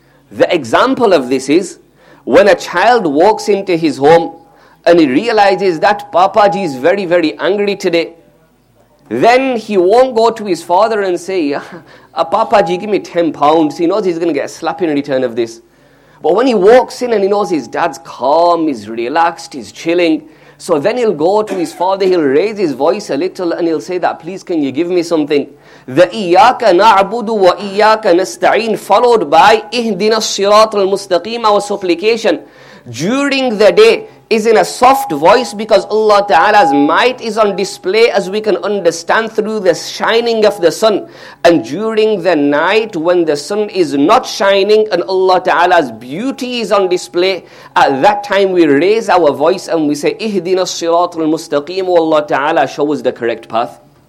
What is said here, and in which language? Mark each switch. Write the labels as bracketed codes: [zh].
[en] The example of this is, when a child walks into his home and he realizes that Papaji is very, very angry today, then he won't go to his father and say, Papaji, give me 10 pounds. He knows he's going to get a slap in return of this. But when he walks in and he knows his dad's calm, he's relaxed, he's chilling, so then he'll go to his father, he'll raise his voice a little and he'll say that, please can you give me something? [ar] The إِيَّاكَ نَعْبُدُ وَإِيَّاكَ نَسْتَعِينَ [en] followed by [ar] إِهْدِنَا الصِّرَاطَ الْمُسْتَقِيمَ [en] our supplication. During the day is in a soft voice because Allah Ta'ala's might is on display, as we can understand through the shining of the sun. And during the night, when the sun is not shining and Allah Ta'ala's beauty is on display, at that time we raise our voice and we say, [ar] إِهْدِنَا الصِّرَاطَ الْمُسْتَقِيمُ [en] Allah Ta'ala show us the correct path.